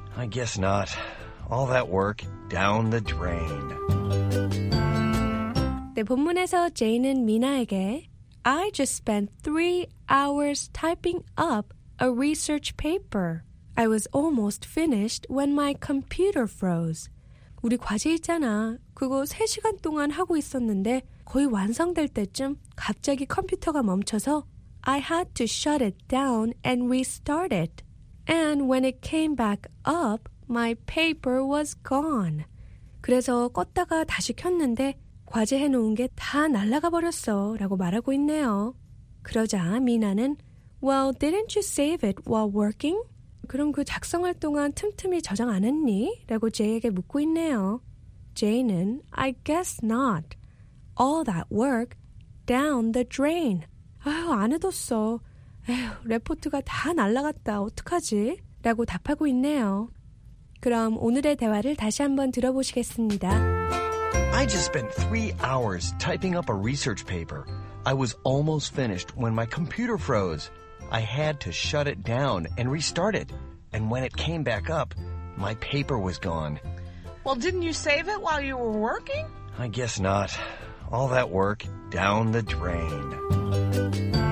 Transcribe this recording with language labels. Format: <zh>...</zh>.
<en>I guess not. All that work down the drain.</en> <ko>네, 본문에서 제인은 미나에게</ko> <en>I just spent 3 hours typing up a research paper. I was almost finished when my computer froze.</en> <ko>우리 과제 있잖아. 그거 3시간 동안 하고 있었는데 거의 완성될 때쯤 갑자기 컴퓨터가 멈춰서</ko> <en>I had to shut it down and restart it. And when it came back up, my paper was gone.</en> <ko>그래서 껐다가 다시 켰는데 과제해 놓은 게 다 날아가 버렸어 라고 말하고 있네요. 그러자 미나는</ko> <en>Well, didn't you save it while working?</en> <ko>그럼 그 작성할 동안 틈틈이 저장 안 했니? 라고 제이에게 묻고 있네요.</ko> <en>제이는 I guess not. All that work down the drain.</en> <ko>아휴, 안 해뒀어. 에휴, 레포트가 다 날아갔다. 어떡하지? 라고 답하고 있네요. 그럼 오늘의 대화를 다시 한번 들어보시겠습니다.</ko> <en>I just spent 3 hours typing up a research paper. I was almost finished when my computer froze. I had to shut it down and restart it. And when it came back up, my paper was gone. Well, didn't you save it while you were working? I guess not. All that work down the drain.</en>